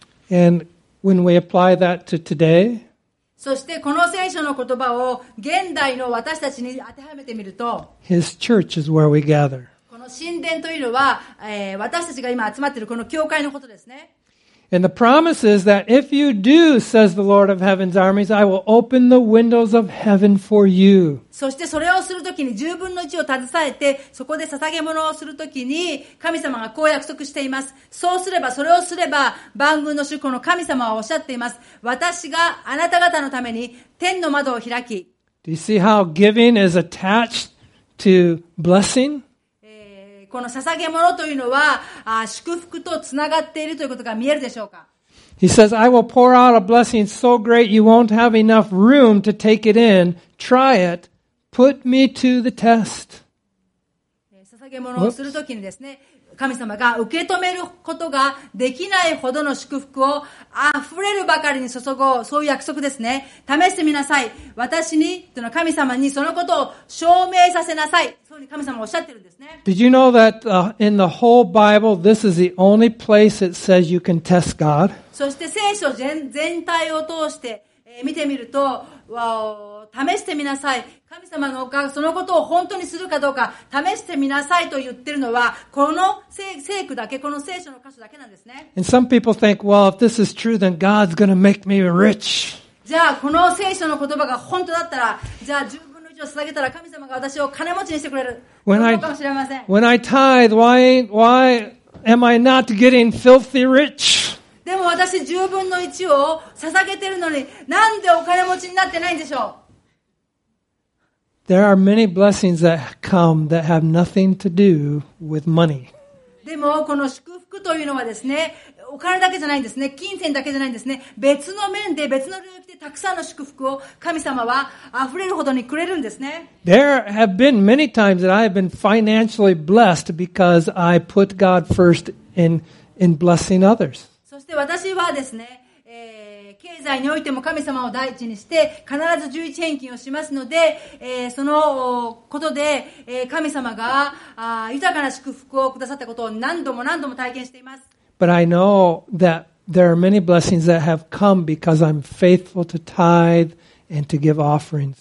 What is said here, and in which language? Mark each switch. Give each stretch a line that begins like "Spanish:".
English: And when we apply that to today,
Japanese: そしてこの聖書の言葉を現代の私たちに当てはめてみると、
English: His church is where we gather.
Japanese: この神殿というのは、私たちが今集まっているこの教会のことですね。
English: And the promise is that if you do, says the Lord of Heaven's armies, I will open the windows of heaven for you.
Japanese: そしてそれをするときに十分の一を携えてそこで捧げ物をするときに神様がこう約束しています。そうすればそれをすれば万軍の主この神様はおっしゃっています。私があなた方のために天の窓を開き。
English: Do you see how giving is attached to blessing?
Japanese: この捧げ物というのは祝福とつながっているということが見えるでしょうか。
English: He says, I will pour out a blessing so great you won't have enough room to take it in. Try it. Put me to the test.
Japanese: 捧げ物をするときにですね、神様が受け止めることができないほどの祝福を溢れるばかりに注ごう。そういう約束ですね。試してみなさい。私に、その神様にそのことを証明させなさい。そういうふうに神様はおっしゃってるんですね。
English: Did you know that in the whole Bible, this is the only place it says you can test God?
Japanese: そして聖書全体を通して見てみると、試してみなさい。神様のがそのことを本当にするかどうか試してみなさいと言ってるのはこの聖句だけ、この聖書の箇所だけなんですね。
English: And some people think, well, if this is true, then God's going to make me rich.
Japanese: じゃあこの聖書の言葉が本当だったら、じゃあ十分の一を捧げたら神様が私を金持ちにしてくれるかもしれません。
English: When I tithe, why am I not getting filthy rich?
Japanese: でも私十分の一を捧げてるのに、なんでお金持ちになってないんでしょう。
English: There are many blessings that come that have nothing to do with money.
Japanese: でもこの祝福というのはですね、お金だけじゃないんですね、金銭だけじゃないんですね、別の面で別の領域でたくさんの祝福を神様は溢れるほどにくれるんですね。
English: There have been many times that I have been financially blessed because I put God first in blessing others.
Japanese: そして私はですね、経済においても神様を第一にして必ず十一返金をしますので、そのことで、神様が豊かな祝福をくださったことを何度も何度も体験しています。
English: But I know that there are many blessings that have come because I'm faithful to tithe and to give offerings.